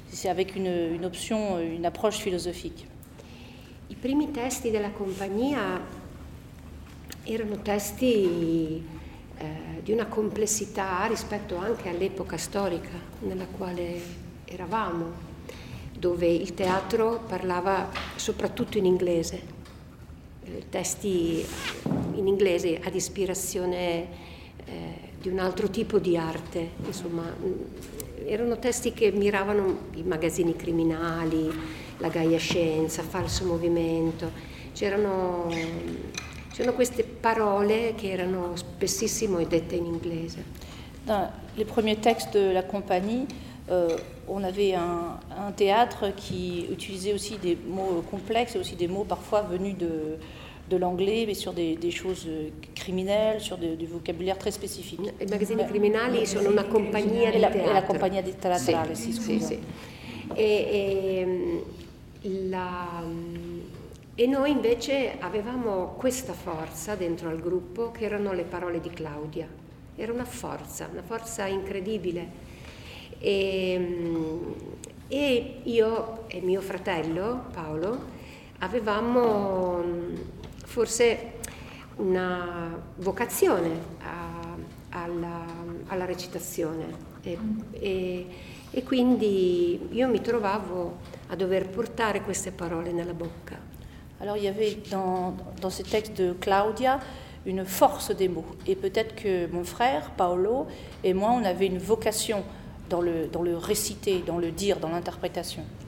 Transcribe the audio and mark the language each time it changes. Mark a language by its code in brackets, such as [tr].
[fr] C'est avec une option, une approche philosophique. [it] I primi testi della compagnia erano testi di una complessità rispetto anche all'epoca storica nella quale eravamo, dove il teatro parlava soprattutto in inglese, testi in inglese ad ispirazione di un altro tipo di arte, insomma. Erano testi che miravano i magazzini criminali, la Gaia Scienza, Falso Movimento. C'erano queste parole che erano spessissimo dette in inglese. [fr] Dans les premiers textes de la compagnie, on avait un théâtre qui utilisait aussi des mots complexes et aussi des mots parfois venus de de l'anglais, mais sur des choses criminelles, sur du vocabulaire très spécifique. [it] Les magazines criminali sono una compagnia di teatro. La compagnia di teatro, sì, scusa. Sì, sì. E noi invece avevamo questa forza dentro al gruppo, che erano le parole di Claudia. Era una forza incredibile. E io e mio fratello Paolo avevamo forse una vocazione alla recitazione. E quindi io mi trovavo a dover portare queste parole nella bocca. [fr] Alors il y avait dans ce texte de Claudia une force des mots, et peut-être que mon frère Paolo et moi on avait une vocation dans le réciter, dans le dire, dans l'interprétation.